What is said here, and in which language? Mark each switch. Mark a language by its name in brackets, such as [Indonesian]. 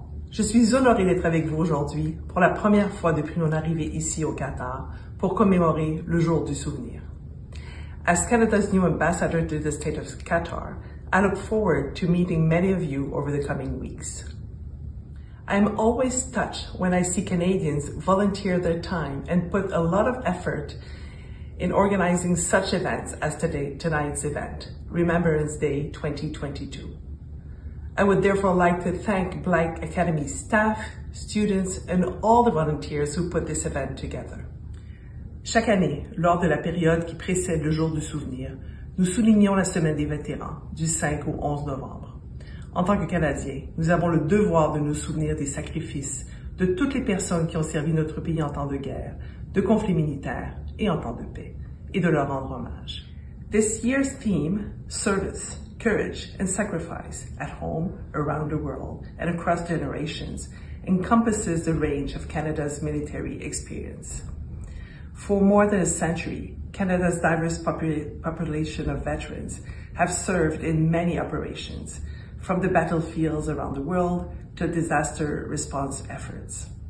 [French] Je suis honorée d'être avec vous aujourd'hui pour la première fois depuis mon arrivée ici au Qatar pour commémorer le jour du souvenir. [English] As Canada's new ambassador to the state of Qatar, I look forward to meeting many of you over the coming weeks. I am always touched when I see Canadians volunteer their time and put a lot of effort in organizing such events as tonight's event, Remembrance Day 2022. I would therefore like to thank Blyth Academy staff, students, and all the volunteers who put this event together. [French] Chaque année, lors de la période qui précède le jour du souvenir, nous soulignons la semaine des vétérans du 5 au 11 novembre. En tant que Canadiens, nous avons le devoir de nous souvenir des sacrifices de toutes les personnes qui ont servi notre pays en temps de guerre, de conflits militaires et en temps de paix, et de leur rendre hommage. [English] This year's theme, service, courage, and sacrifice at home, around the world, and across generations, encompasses the range of Canada's military experience. For more than a century, Canada's diverse population of veterans have served in many operations, from the battlefields around the world to disaster response efforts.